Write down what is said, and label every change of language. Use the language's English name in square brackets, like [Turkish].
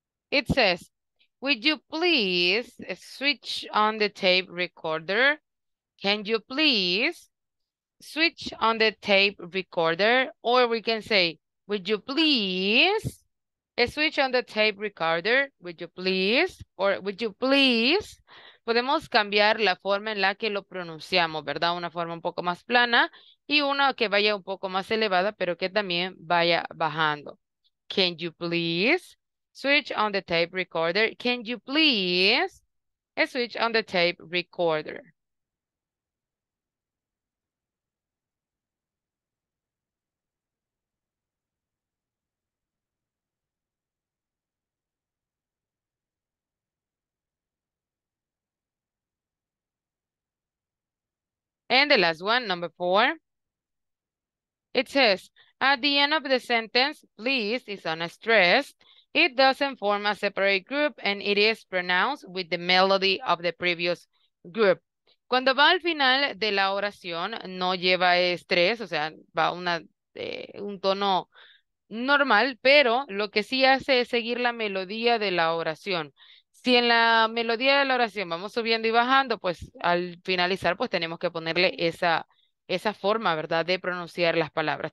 [English] It says, would you please switch on the tape recorder? Can you please switch on the tape recorder? Or we can say, would you please switch on the tape recorder? Would you please? Or would you please? [Spanish] Podemos cambiar la forma en la que lo pronunciamos, ¿verdad? Una forma un poco más plana y una que vaya un poco más elevada, pero que también vaya bajando. [English] Can you please switch on the tape recorder? Can you please switch on the tape recorder? And the last one, number four, it says, at the end of the sentence, please is unstressed. It doesn't form a separate group and it is pronounced with the melody of the previous group. [Spanish] Cuando va al final de la oración, no lleva estrés, o sea, va un tono normal, pero lo que sí hace es seguir la melodía de la oración. Si en la melodía de la oración vamos subiendo y bajando, pues al finalizar pues tenemos que ponerle esa forma, ¿verdad?, de pronunciar las palabras.